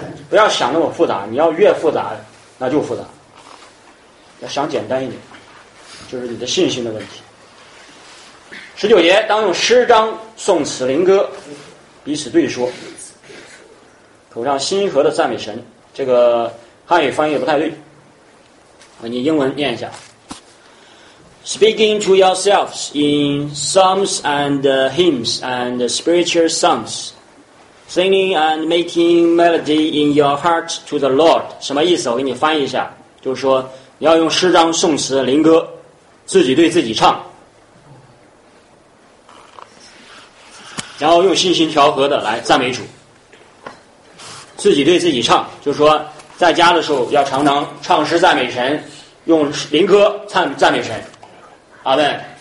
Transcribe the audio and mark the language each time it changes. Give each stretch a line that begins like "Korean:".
Chinese: 不要想那么复杂，你要越复杂那就复杂，要想简单一点，就是你的信心的问题。 19节，当用诗章颂词灵歌彼此对说，口上心和的赞美神。这个汉语翻译也不太对，你英文念一下。
English: Speaking to yourselves in psalms and hymns and spiritual songs, singing and making melody in your heart to the Lord.
Chinese: 什么意思？我给你翻译一下，就是说你要用诗章颂词灵歌自己对自己唱，然后用信心调和的来赞美主。自己对自己唱，就是说在家的时候要常常唱诗赞美神，用灵歌赞美神。阿们。